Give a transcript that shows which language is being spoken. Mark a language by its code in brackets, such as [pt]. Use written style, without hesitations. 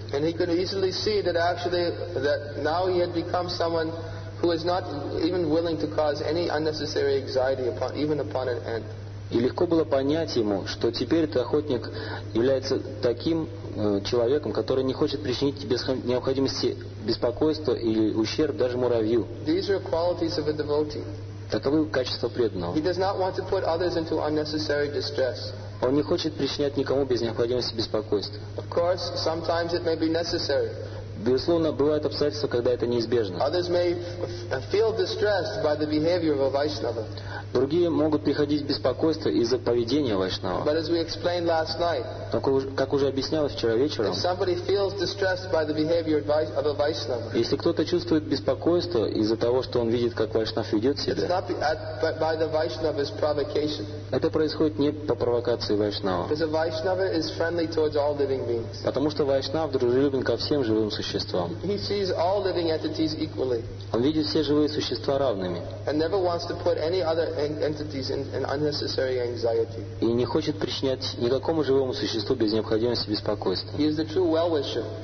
[en] And he could easily see that actually that now he had become someone who is not even willing to cause any unnecessary anxiety upon an ant. [ru] И легко было понять ему, что теперь этот охотник является таким человеком, который не хочет причинить без необходимости беспокойства или ущерб даже муравью. [en] These are qualities of a devotee. [ru] Таковы качества преданного. [en] He does not want to put others into unnecessary distress. [ru] Он не хочет причинять никому без необходимости беспокойства. [en] Of course, sometimes it may be necessary. [ru] Безусловно, бывают обстоятельства, когда это неизбежно. [en] Others may feel distressed by the behavior of a Vaishnava. [ru] Другие могут приходить в беспокойство из-за поведения вайшнава. [en] But as we explained last night, [ru] как уже объяснялось вчера вечером, [en] if somebody feels distressed by the behavior of a Vaishnava, [ru] если кто-то чувствует беспокойство из-за того, что он видит, как вайшнав ведет себя, [en] it's not by the Vaishnava's provocation. [ru] Это происходит не по провокации вайшнава. [en] Because a Vaishnava is friendly towards all living beings. [ru] Потому что вайшнав дружелюбен ко всем живым существам. [en] He sees all living entities equally. [ru] Он видит все живые существа равными. [en] And never wants to put any other entities in unnecessary anxiety. [ru] И не хочет причинять никакому живому существу без необходимости беспокойства. [en] He is the true well-wisher.